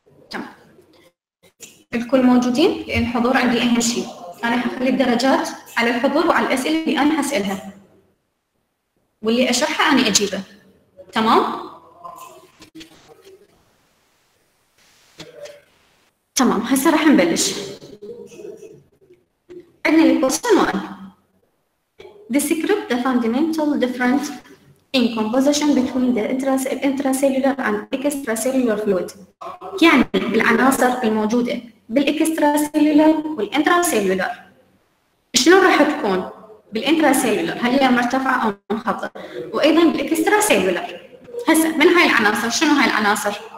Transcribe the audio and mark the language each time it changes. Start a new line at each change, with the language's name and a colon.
Arabic: تمام، الكل موجودين؟ لأن الحضور عندي أهم شيء، أنا هخلي الدرجات على الحضور وعلى الأسئلة اللي أنا هسألها واللي أشرحها أنا أجيبها، تمام؟ تمام، هسه راح نبلش. عندنا الكوستشن 1.
English: Describe the fundamental difference in composition between the intracellular and extracellular fluid.
Arabic: يعني العناصر الموجودة بالإكستراسيلولر والإنتراسيلولر. شلون راح تكون بالإنتراسيلولر؟ هل هي مرتفعة أو منخفضة؟ وأيضاً بالإكستراسيلولر. هسا من هاي العناصر؟ شنو هاي العناصر؟